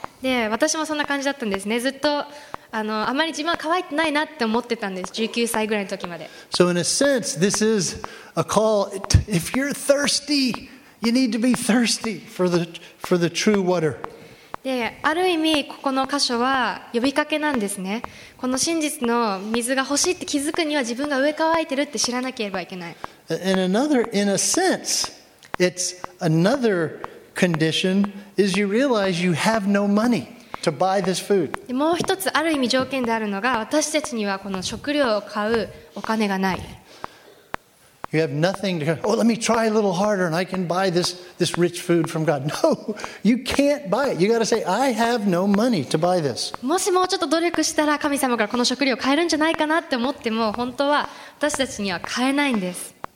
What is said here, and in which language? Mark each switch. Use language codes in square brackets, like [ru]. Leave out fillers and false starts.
[ja] で、私もそんな感じだったんですね。ずっと。あまり自分は乾いてないなって思ってたんです。 19歳ぐらいの時まで。 [en] So in a sense, this is a call. If you're thirsty, you need to be thirsty for the true water. [ja] で、ある意味ここの箇所は呼びかけなんですね。この真実の水が欲しいって気づくには自分が上乾いてるって知らなければいけない。 [en] And another, in a sense, it's another condition is you realize you have no money. To buy this food. [ja] もう一つある意味条件であるのが私たちにはこの食料を買うお金がない。 [en] You have nothing to go, oh, let me try a little harder and I can buy this rich food from God. No, you can't buy it. You got to say, I have no money to buy this. [ja] もしもうちょっと努力したら神様からこの食料を買えるんじゃないかなって思っても本当は私たちには買えないんです。